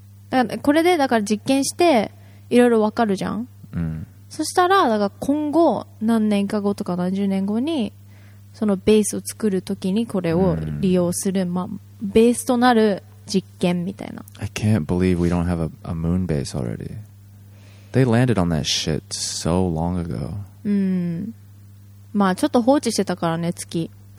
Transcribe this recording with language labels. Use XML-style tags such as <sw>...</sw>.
<ja>だからこれでだから実験していろいろわかるじゃん。うん。そしたらだから今後何年か後とか何十年後に。そのベースを作るときにこれを利用する、まあ、ベースとなる実験みたいな。</ja> <en>I can't believe we don't have a moon base already. They landed on that shit so long ago.</en> <ja>うん、まあちょっと放置してたからね、月。</ja>